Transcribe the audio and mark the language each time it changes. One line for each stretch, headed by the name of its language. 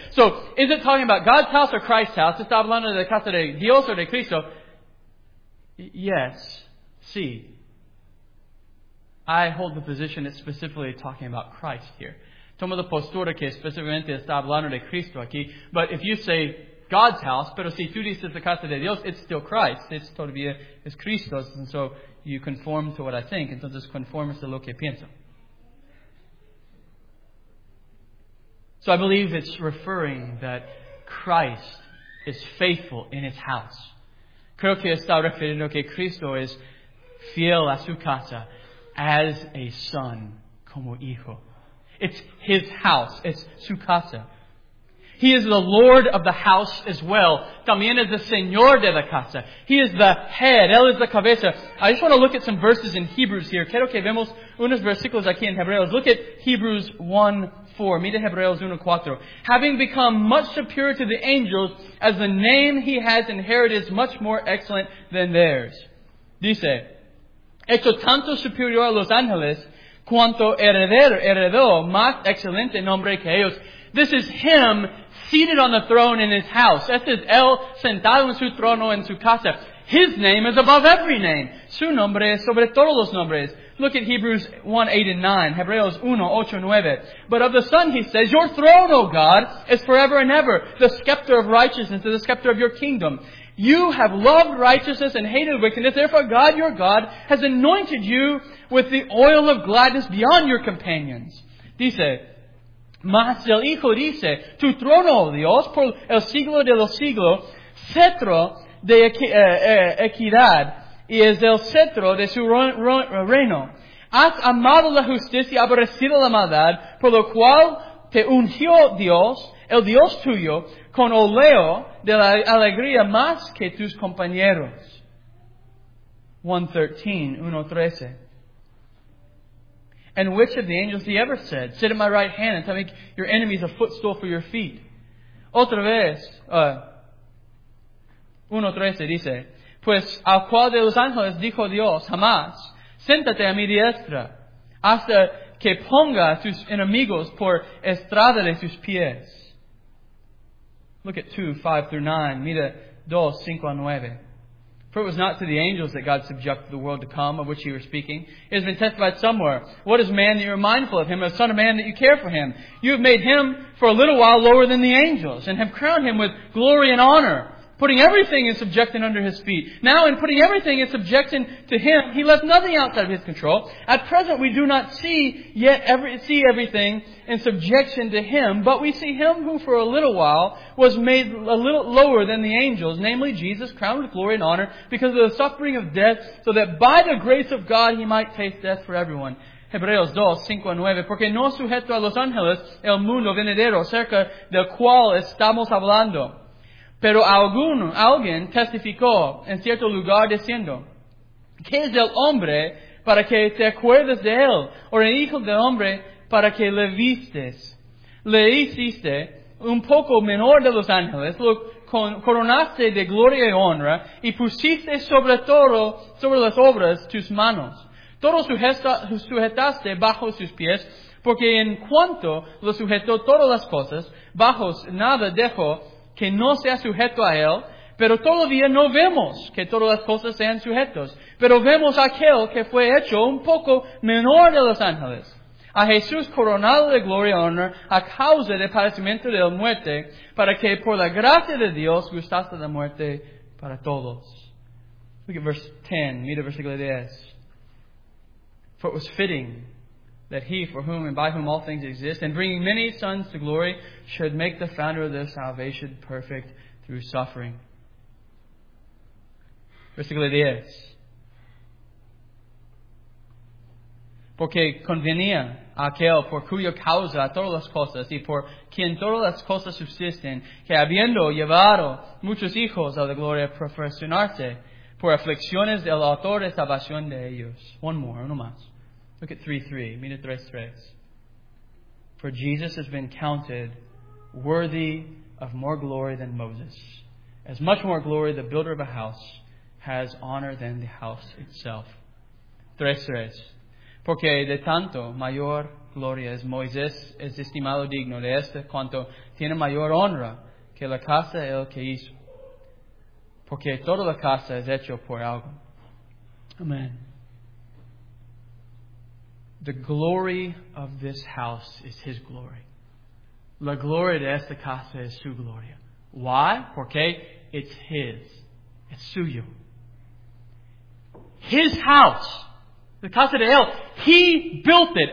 English: So, is it talking about God's house or Christ's house?
Spanish: ¿Está hablando de la casa de Dios o de Cristo?
English: Yes.
Spanish: Sí.
English: I hold the position it's specifically talking about Christ here.
Spanish: Toma la postura que específicamente está hablando de Cristo aquí.
English: But if you say God's house,
Spanish: pero si tú dices la casa de Dios,
English: it's still Christ. It's
Spanish: todavía es Cristo.
English: And so you conform to what I think.
Spanish: Entonces conformas a lo que pienso.
English: So I believe it's referring that Christ is faithful in his house.
Spanish: Creo que está refiriendo que Cristo es fiel a su casa.
English: As a son,
Spanish: como hijo.
English: It's his house. It's
Spanish: su casa.
English: He is the Lord of the house as well.
Spanish: También es el Señor de la casa.
English: He is the head.
Spanish: Él es la cabeza.
English: I just want to look at some verses in Hebrews here.
Spanish: Quiero que vemos unos versículos aquí en Hebreos.
English: Look at Hebrews 1, 4.
Spanish: Mira Hebreos 1:4.
English: Having become much superior to the angels, as the name he has inherited is much more excellent than theirs.
Spanish: Dice, hecho tanto superior a los ángeles, cuanto heredó más excelente nombre que ellos.
English: This is him seated on the throne in his house.
Spanish: Este es él sentado en su trono en su casa.
English: His name is above every name.
Spanish: Su nombre es sobre todos los nombres.
English: Look at Hebrews 1:8-9. Hebreos 1:8-9. But of the Son, he says, your throne, O God, is forever and ever. The scepter of righteousness is the scepter of your kingdom. You have loved righteousness and hated wickedness. Therefore, God, your God, has anointed you with the oil of gladness beyond your companions.
Spanish: Dice, mas el Hijo dice, tu trono, Dios, por el siglo de los siglos, cetro de equidad, y es el cetro de su reino. Has amado la justicia y aborrecido la maldad, por lo cual te ungió Dios, el Dios tuyo, con oleo de la alegría más que tus compañeros.
English: 1:13. And which of the angels he ever said, sit at my right hand until I make your enemies a footstool for your feet?
Spanish: Otra vez, 1:13 dice, pues al cual de los ángeles dijo Dios, jamás, siéntate a mi diestra, hasta que ponga a tus enemigos por estrada de tus pies.
English: Look at 2:5-9.
Spanish: Mira 2:5-9.
English: For it was not to the angels that God subjected the world to come, of which you were speaking. It has been testified somewhere. What is man that you are mindful of him, a son of man that you care for him? You have made him for a little while lower than the angels, and have crowned him with glory and honor, putting everything in subjection under his feet. Now, in putting everything in subjection to him, he left nothing outside of his control. At present, we do not see everything in subjection to him, but we see him who for a little while was made a little lower than the angels, namely Jesus, crowned with glory and honor because of the suffering of death, so that by the grace of God he might taste death for everyone.
Spanish: Hebreos 2:5-9. Porque no sujeto a los ángeles el mundo venidero, cerca del cual estamos hablando. Pero alguien testificó en cierto lugar diciendo, ¿qué es el hombre para que te acuerdes de él? ¿O el hijo del hombre para que le vistes? Le hiciste un poco menor de los ángeles, lo coronaste de gloria y honra, y pusiste sobre todo, sobre las obras, tus manos. Todo sujetaste bajo sus pies, porque en cuanto lo sujetó todas las cosas, bajo nada dejó que no sea sujeto a él, pero todavía no vemos que todas las cosas sean sujetos, pero vemos a aquel que fue hecho un poco menor de los ángeles, a Jesús coronado de gloria y honor a causa del padecimiento de la muerte, para que por la gracia de Dios gustase la muerte para todos.
English: Look at verse 10,
Spanish: mira versículo 10.
English: For it was fitting that he for whom and by whom all things exist, and bringing many sons to glory, should make the founder of their salvation perfect through suffering.
Spanish: Versículo 10. Porque convenía a aquel por cuya causa todas las cosas y por quien todas las cosas subsisten, que habiendo llevado muchos hijos a la gloria, perfeccionarse por aflicciones del autor de salvación de ellos.
English: One more,
Spanish: uno más.
English: Look at 3:3.
Spanish: Mira 3:3.
English: For Jesus has been counted worthy of more glory than Moses. As much more glory the builder of a house has honor than the house itself. 3:3.
Spanish: Porque de tanto mayor gloria es Moisés es estimado digno de este cuanto tiene mayor honra que la casa el que hizo. Porque toda la casa es hecho por algo. Amen.
English: The glory of this house is his glory.
Spanish: La gloria de esta casa es su gloria.
English: Why?
Spanish: Porque
English: it's his. It's
Spanish: suyo.
English: His house, the
Spanish: casa de él,
English: he built it.